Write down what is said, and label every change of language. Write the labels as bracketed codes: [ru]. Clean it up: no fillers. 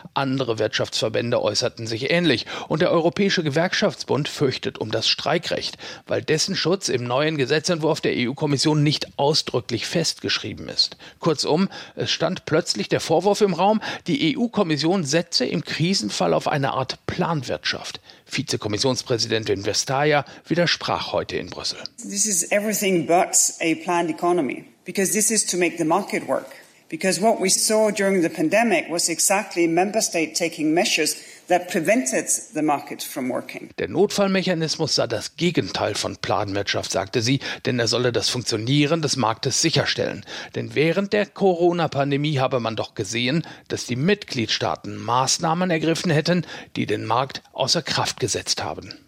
[de] Andere Wirtschaftsverbände äußerten sich ähnlich. Und der Europäische Gewerkschaftsbund fürchtet um das Streikrecht, weil dessen Schutz im neuen Gesetzentwurf der EU-Kommission nicht ausdrücklich festgeschrieben ist. Kurzum, es stand plötzlich der Vorwurf im Raum, die EU-Kommission setze im Krisenfall auf eine Art Planwirtschaft. Vizekommissionspräsidentin Vestager widersprach heute in Brüssel. [en] This is everything but a planned economy, because this is to make the market work. Because what we saw during the pandemic was exactly member state taking measures that prevented the market from working. [de] Der Notfallmechanismus sei das Gegenteil von Planwirtschaft, sagte sie, denn er solle das Funktionieren des Marktes sicherstellen. Denn während der Corona-Pandemie habe man doch gesehen, dass die Mitgliedstaaten Maßnahmen ergriffen hätten, die den Markt außer Kraft gesetzt haben.